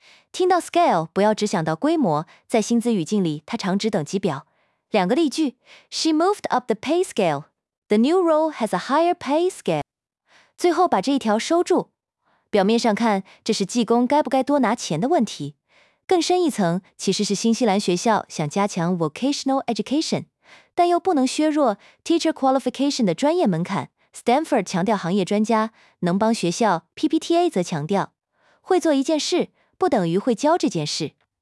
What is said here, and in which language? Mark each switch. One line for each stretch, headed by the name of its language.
Chinese: 听到 scale， 不要只想到规模，在薪资语境里，它常指等级表。两个例句
English: ：She moved up the pay scale. The new role has a higher pay scale.
Chinese: 最后把这一条收住。表面上看，这是技工该不该多拿钱的问题。更深一层，其实是新西兰学校想加强 vocational education， 但又不能削弱 teacher qualification 的专业门槛。 Stanford 强调行业专家能帮学校 ，PPTA 则强调，会做一件事不等于会教这件事。